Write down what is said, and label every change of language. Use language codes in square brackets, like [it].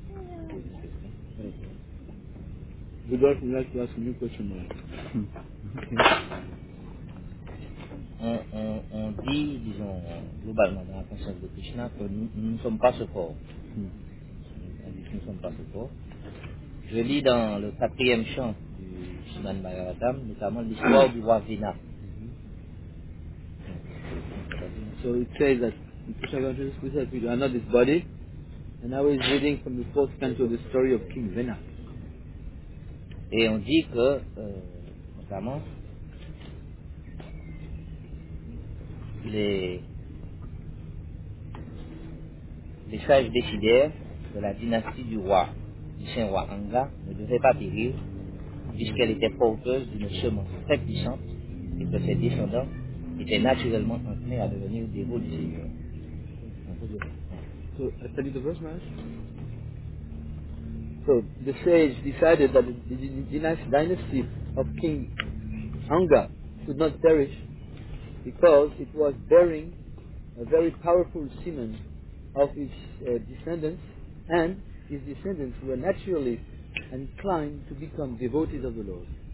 [en] I would like to ask a new question now. [fr] On dit, disons, globalement, dans la conscience de Krishna, que nous ne sommes pas ce corps. On dit que nous ne sommes pas ce corps. Je lis dans le quatrième chant du Shiman Bhagavatam, notamment l'histoire du roi Vina. [en] So it says that Krishna consciousness is that we are not this body, and I was reading from the fourth canto of the story of King Vina. [fr] Et on dit que, notamment, les sages décidèrent de la dynastie du roi, du saint roi Anga, ne devait pas périr, puisqu'elle était porteuse d'une semence très puissante et que ses descendants étaient naturellement enclins à devenir dévots du Seigneur. [en] So, I studied the verse, Maharaj. So, the sage decided that the dynasty of King Anga should not perish because it was bearing a very powerful semen of his descendants, and his descendants were naturally inclined to become devotees of the Lord.